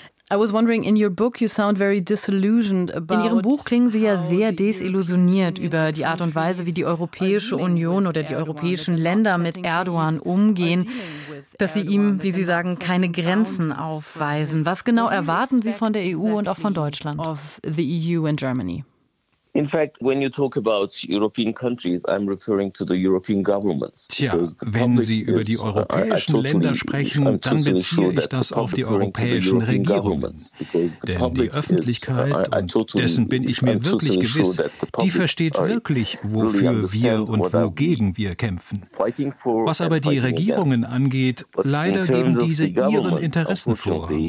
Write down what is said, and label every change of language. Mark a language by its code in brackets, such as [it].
[en] I was wondering, in your book you sound very disillusioned about. [de] In Ihrem Buch klingen Sie ja sehr desillusioniert über die Art und Weise, wie die Europäische Union oder die europäischen Länder mit Erdogan umgehen, dass sie ihm, wie Sie sagen, keine Grenzen aufweisen. Was genau erwarten Sie von der EU und auch von Deutschland? [en] Of the EU and Germany. In fact, when you talk about European countries, I'm referring to the European governments. [de] Tja, wenn Sie über die europäischen Länder sprechen, dann beziehe ich das auf die europäischen Regierungen. Denn die Öffentlichkeit, und dessen bin ich mir wirklich gewiss, die versteht wirklich, wofür wir und wogegen wir kämpfen. Was aber die Regierungen angeht, leider geben diese ihren Interessen vor.